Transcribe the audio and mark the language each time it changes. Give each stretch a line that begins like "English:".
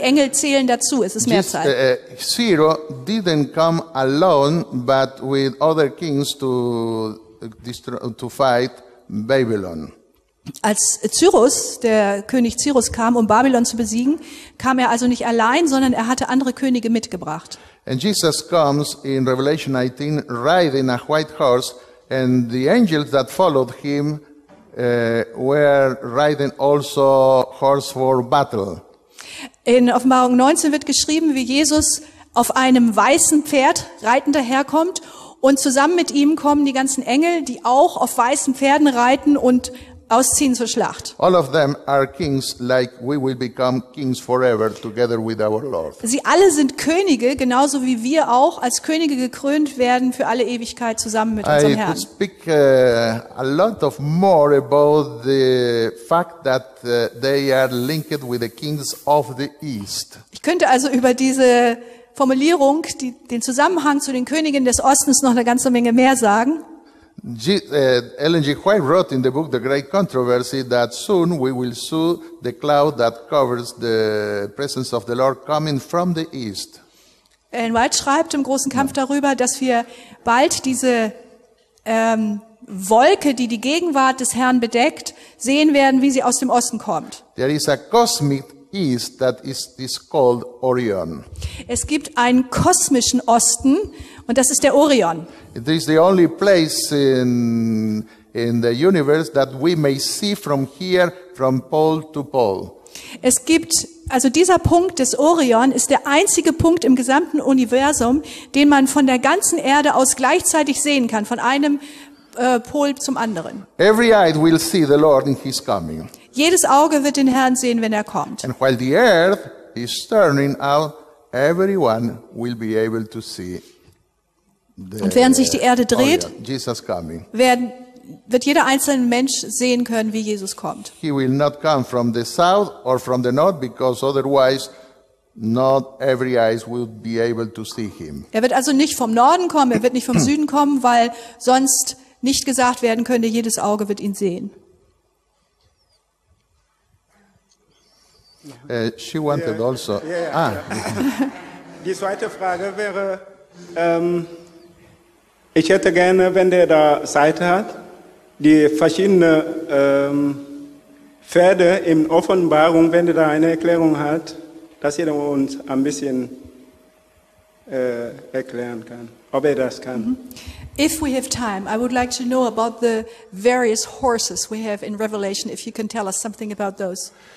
German: Die Engel zählen dazu. Es ist Mehrzahl.
English: Zero didn't come alone, but with other kings to fight Babylon.
German: Als Cyrus, der König Cyrus, kam, um Babylon zu besiegen, kam er also nicht allein, sondern er hatte andere Könige mitgebracht.
English: And Jesus comes in Revelation 19 riding a white horse, and the angels that followed him were riding also horse for battle.
German: In Offenbarung 19 wird geschrieben, wie Jesus auf einem weißen Pferd reitend daherkommt, und zusammen mit ihm kommen die ganzen Engel, die auch auf weißen Pferden reiten und ausziehen zur Schlacht.
English: All of them are kings, like we will become kings forever together with our Lord.
German: Sie alle sind Könige, genauso wie wir auch als Könige gekrönt werden für alle Ewigkeit zusammen mit unserem Herrn.
English: I could speak a lot of more about the fact that they are linked with the kings of the East.
German: Ich könnte also über diese Formulierung, den Zusammenhang zu den Königen des Ostens noch eine ganze Menge mehr sagen.
English: Ellen G. White wrote in the book The Great Controversy that soon we will see the cloud that covers the presence of the Lord coming from the east.
German: Ellen White schreibt im großen Kampf darüber, dass wir bald diese Wolke, die Gegenwart des Herrn bedeckt, sehen werden, wie sie aus dem Osten kommt.
English: There is a cosmic east that is called Orion.
German: Es gibt einen kosmischen Osten und das ist der Orion.
English: It is the only place in the universe that we may see from here, from pole to pole.
German: Es gibt, also dieser Punkt des Orion ist der einzige Punkt im gesamten Universum, den man von der ganzen Erde aus gleichzeitig sehen kann, von einem Pol zum anderen.
English: Every eye will see the Lord in his coming.
German: Jedes Auge wird den Herrn sehen, wenn er kommt.
English: And while the earth is turning out, everyone will be able to see.
German: Und während sich die Erde dreht,
English: Jesus coming.
German: Wird jeder einzelne Mensch sehen können, wie Jesus kommt.
English: He will not come from the south or from the north, because otherwise not every eyes will be able to see him.
German: Er wird also nicht vom Norden kommen, er wird nicht vom Süden kommen, weil sonst nicht gesagt werden könnte, jedes Auge wird ihn sehen.
English: She wanted also. Yeah.
German: Die zweite Frage wäre, ich hätte gerne, wenn der da Zeit hat, die verschiedenen Pferde in Offenbarung, wenn der da eine Erklärung hat, dass er uns ein bisschen erklären kann, ob er das kann. Mhm.
English: If we have time, I would like to know about the various horses we have in Revelation, if you can tell us something about those.